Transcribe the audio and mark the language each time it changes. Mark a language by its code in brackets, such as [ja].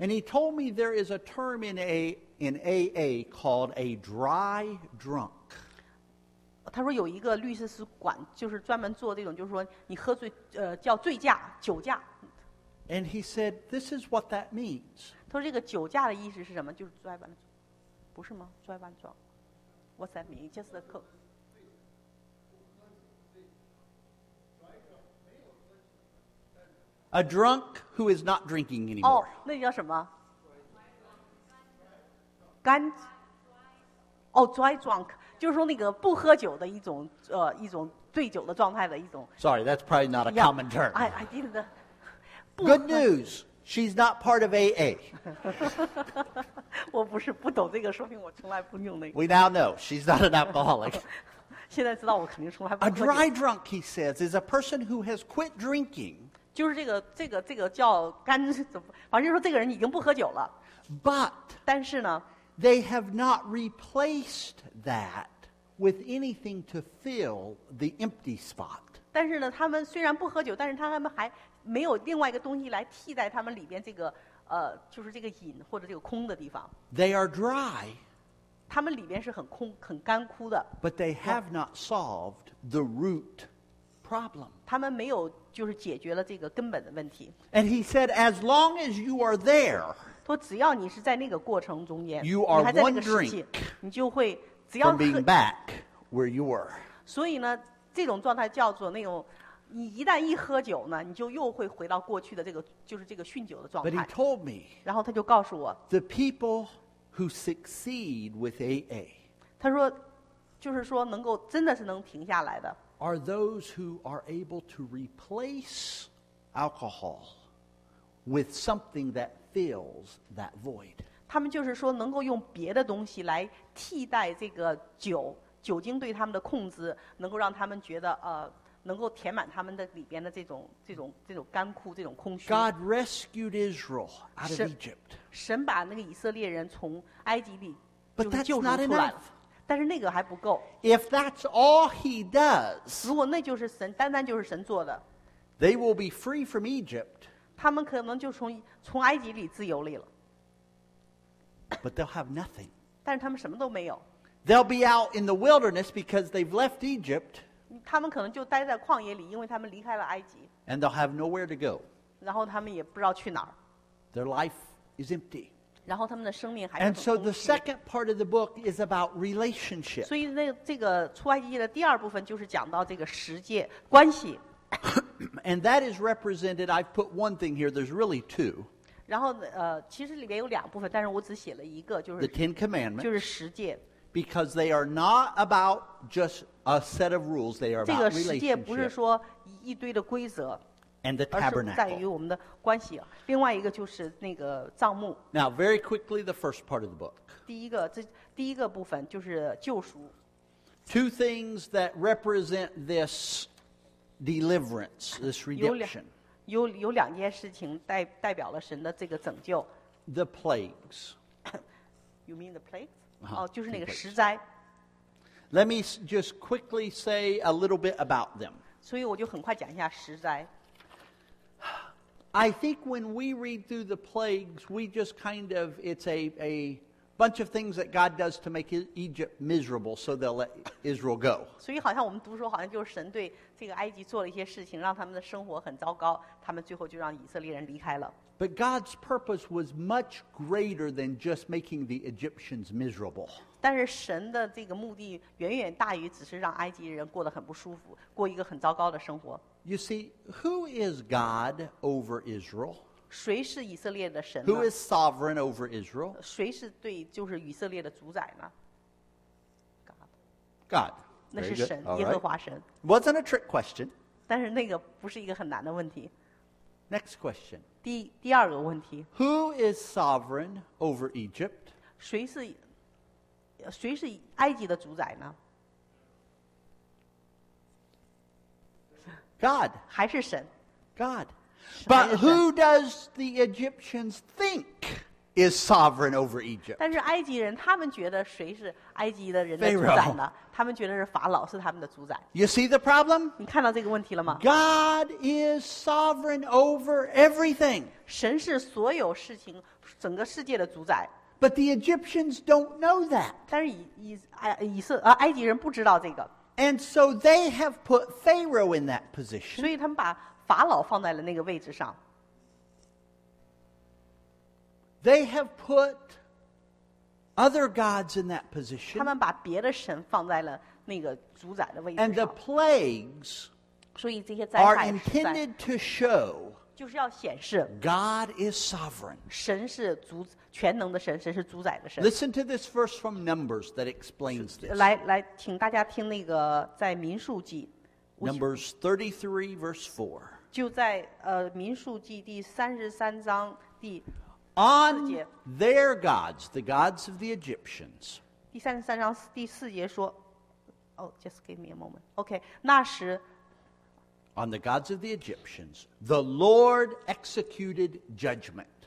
[en] And he told me there is a term in AA called a dry drunk. [zh] 他说有一个律师是管，就是专门做这种，就是说你喝醉，叫醉驾，酒驾。 [en] And he said, "This is what that means." [zh] 他说这个酒驾的意思是什么？就是 [en] drive drunk， [zh] 不是吗 ？ [en] Drive drunk， what's that mean? Just the cook。 A drunk who is not drinking anymore. [zh] 哦，那叫什么？干？哦 ， [en] dry drunk， [zh] 就是说那个不喝酒的一种一种醉酒的状态的一种。 [en] Sorry, that's probably not a common term. I didn't know. Good news, she's not part of AA. [zh] 我不是不懂这个，说明我从来不用那个。 [en] We now know she's not an alcoholic. [zh] 现在知道我肯定从来不。 [en] A dry drunk, he says, is a person who has quit drinking. [zh] 就是这个叫干，怎么？反正说这个人已经不喝酒了。 [en] But [zh] 但是呢 [en] ，they have not replaced that with anything to fill the empty spot. [zh] 但是呢，他们虽然不喝酒，但是他们还。没有另外一个东西来替代他们里边这个就是这个瘾或者这个空的地方。 [en] They are dry. [zh] 他们里边是很空很干枯的。 [en] But they have not solved the root problem. [zh] 他们没有就是解决了这个根本的问题。 [en] And he said, as long as you are there, [zh] 说只要你是在那个过程中间 [en] you are one drink, [zh] 你就会只要 [en] from being back where you were. [zh] 所以呢这种状态叫做那种你一旦一喝酒呢，你就又会回到过去的这个，就是这个酗酒的状态。 [en] But he told me, [zh] 然后他就告诉我 [en] ，The people who succeed with AA, [zh] 他说，就是说能够真的是能停下来的 [en] ，are those who are able to replace alcohol with something that fills that void. [zh] 他们就是说能够用别的东西来替代这个酒，酒精对他们的控制，能够让他们觉得能够填满他们的里边的这种干枯，这种空虚。 [en] God rescued Israel out of Egypt. [zh] 神把那个以色列人从埃及里就救出来了。 [en] But that's not enough. [zh] 但是那个还不够。 [en] If that's all He does, [zh] 如果那就是神，单单就是神做的 [en] ，they will be free from Egypt. [zh] 他们可能就从埃及里自由了。 [en] But they'll have nothing. [zh] 但是他们什么都没有。 [en] They'll be out in the wilderness because they've left Egypt. [zh] 他们可能就待在旷野里，因为他们离开了埃及。 [en] And they'll have nowhere to go. [zh] 然后他们也不知道去哪儿。 [en] Their life is empty. [zh] 然后他们的生命还是很空虚。 [en] And so the second part of the book is about relationship. [zh] 所以这个出埃及记的第二部分就是讲到这个实践关系。 [en] And that is represented. I've put one thing here. There's really two. [zh] 然后其实里面有两部分，但是我只写了一个，就是 [en] The Ten Commandments. [zh] 就是实践。 [en] Because they are not about just a set of rules; they are about relationship. [zh] 这个世界不是说一堆的规则， [en] and the tabernacle. [zh] 而是在于我们的关系。另外一个就是那个帐幕。 [en] Now, very quickly, the first part of the book. [zh] 第一个部分就是救赎。 [en] Two things that represent this deliverance, this redemption. [zh] 有两件事情代表了神的这个拯救。 [en] The plagues. You mean the plagues? [zh] 哦，就是那个石灾。 [en] Let me just quickly say a little bit about them. [zh] 所以我就很快讲一下十灾。 [en] I think when we read through the plagues, we just kind of, it's a bunch of things that God does to make Egypt miserable, so they'll let Israel go. [zh] 所以好像我们读说好像就是神对这个埃及做了一些事情，让他们的生活很糟糕，他们最后就让以色列人离开了。 [en] But God's purpose was much greater than just making the Egyptians miserable. [zh] 但是神的这个目的远远大于只是让埃及人过得很不舒服，过一个很糟糕的生活。 [en] You see, who is God over Israel? [zh] 谁是以色列的神呢？ [en] Who is sovereign over Israel? [zh] 谁是对就是以色列的主宰呢？ [en] God. God. [zh] 那是神，耶和华神。 [en] Wasn't a trick question. [zh] 但是那个不是一个很难的问题。 [en] Next question. [zh] 第二个问题。 [en] Who is sovereign over Egypt? [zh] 谁是埃及的主宰呢？ [en] God. [zh] 还是神。 [en] God. But who does the Egyptians think is sovereign over Egypt? [zh] 但是埃及人，他们觉得谁是埃及的人的主宰呢？他们觉得是法老是他们的主宰。 [en] You see the problem? [zh] 你看到这个问题了吗？ [en] God is sovereign over everything. [zh] 神是所有事情，整个世界的主宰。 [en] But the Egyptians don't know that. [zh] 但是埃及人不知道这个。 [en] And so they have put Pharaoh in that position. [zh] 所以他们把法老放在了那个位置上。 [en] They have put other gods in that position. [zh] 他们把别的神放在了那个主宰的位置上。 [en] And the plagues, [zh] 所以这些灾害 [en] ，are intended to show, [zh] 就是要显示 [en] God is sovereign. [zh] 神是主全能的神，神是主宰的神。 [en] Listen to this verse from Numbers that explains this. [zh] 来，请大家听那个在民数记。 [en] Numbers 33 verse 4. [zh] 就在民数记第三十三章第四节。 [en] On their gods, the gods of the Egyptians. [zh] 第三十三章第四节说 [en] ，Oh, just give me a moment. [zh] Okay, 那时。 [en] On the gods of the Egyptians, the Lord executed judgment.